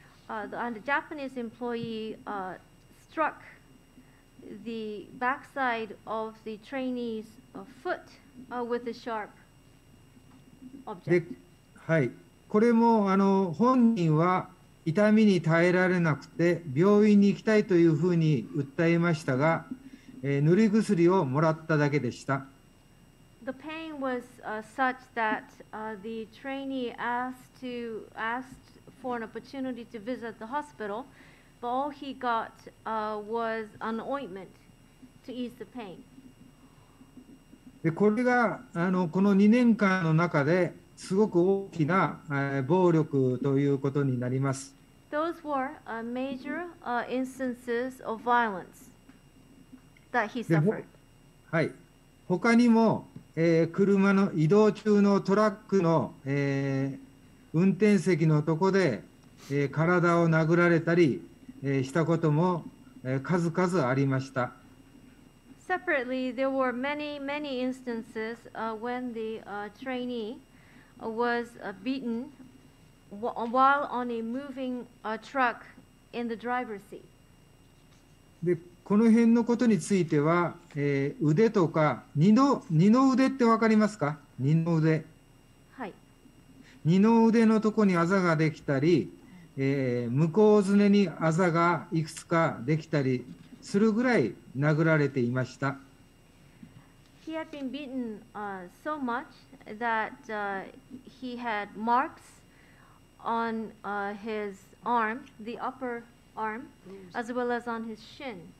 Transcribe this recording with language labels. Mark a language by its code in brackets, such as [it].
[en] And the Japanese employee struck the backside of the trainee's foot with a sharp object. [ja] はい。これも本人は痛みに耐えられなくて病院に行きたいというふうに訴えましたが、塗り薬をもらっただけでした。 [en] The pain was such that the trainee asked for an opportunity to visit the hospital, but all he got was an ointment to ease the pain. [ja] で、これがこの2年間の中ですごく大きな暴力ということになります。 [en] Those were major instances of violence. That he suffered. [ja] はい、他にも、車の移動中のトラックの、運転席のとこで、体を殴られたり、したことも、数々ありました。 [en] Separately, there were many, many instances when the trainee was beaten while on a moving truck in the driver's seat. [ja] でこの辺のことについては、腕とか二の腕って分かりますか？二の腕。はい。二の腕のとこにあざができたり、向こうすねにあざがいくつかできたりするぐらい殴られていました。 [en] He had been beaten so much that he had marks on his arm, the upper arm, as well as on his shin.